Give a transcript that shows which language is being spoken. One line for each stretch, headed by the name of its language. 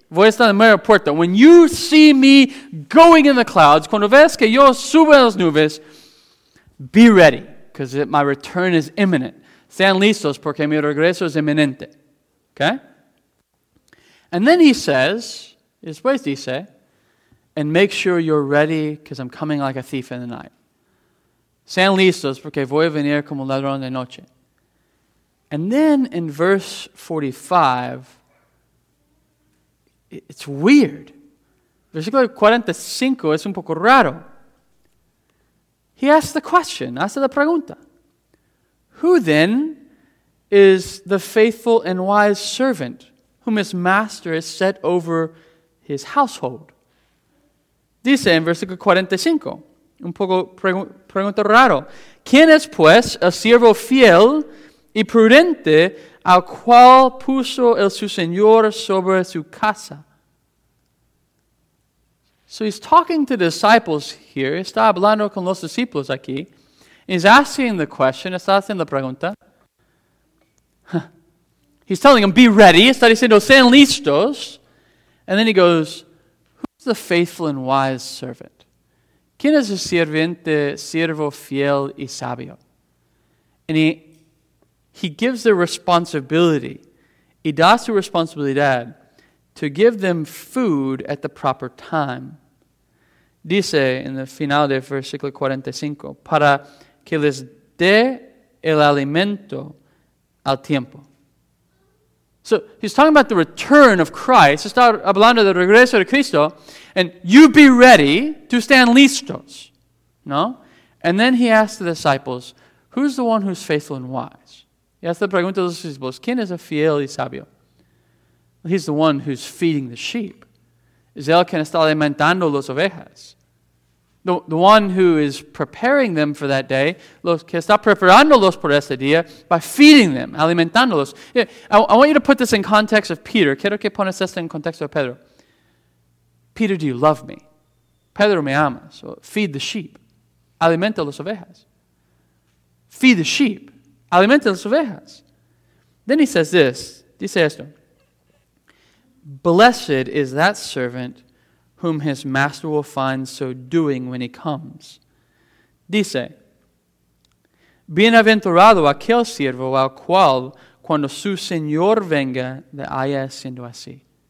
Spanish: Voy a estar en la mera puerta.
English: When you see me going in the clouds,
Spanish: cuando ves que yo subo a las nubes,
English: be ready, because my return is imminent.
Spanish: Sean listos, porque mi regreso es inminente. Okay?
English: And then he says,
Spanish: después dice,
English: and make sure you're ready, because I'm coming like a thief in the night.
Spanish: Sean listos, porque voy a venir como ladrón de noche.
English: And then in verse 45, it's weird.
Spanish: Versículo 45 es un poco raro.
English: He asks the question,
Spanish: hace la pregunta. Who then is the faithful and wise servant whom his master has set over his household? Dice en versículo 45, un poco pregunta raro. ¿Quién es, pues, el siervo fiel y prudente al cual puso el su señor sobre su casa?
English: So he's talking to disciples here.
Spanish: Está hablando con los discípulos aquí.
English: He's asking the question.
Spanish: Está haciendo la pregunta.
English: He's telling them, be ready.
Spanish: Está diciendo, sean listos.
English: And then he goes, who's the faithful and wise servant?
Spanish: ¿Quién es el sirviente, siervo fiel y sabio?
English: And he gives the responsibility,
Spanish: y da su responsabilidad,
English: to give them food at the proper time.
Spanish: Dice en el final del versículo 45, para que les dé el alimento al tiempo.
English: So he's talking about the return of Christ.
Spanish: Está hablando del regreso de Cristo.
English: And you be ready to stand listos. No? And then he asks the disciples, who's the one who's faithful and wise?
Spanish: Y hace la pregunta a los discípulos, ¿quién es el fiel y sabio?
English: Well, he's the one who's feeding the sheep.
Spanish: Es el que está alimentando las ovejas.
English: The one who is preparing them for that day,
Spanish: los que está preparándolos por ese día,
English: by feeding them,
Spanish: alimentándolos.
English: I want you to put this in context of Peter.
Spanish: Quiero que pones esto en contexto de Pedro.
English: Peter, do you love me?
Spanish: Pedro, me amas.
English: So feed the sheep.
Spanish: Alimenta las ovejas.
English: Feed the sheep.
Spanish: Alimenta las ovejas.
English: Then he says this.
Spanish: Dice esto.
English: Blessed is that servant whom his master will find so doing when he comes.
Spanish: Dice, bienaventurado aquel siervo al cual cuando su señor venga le haya siendo así.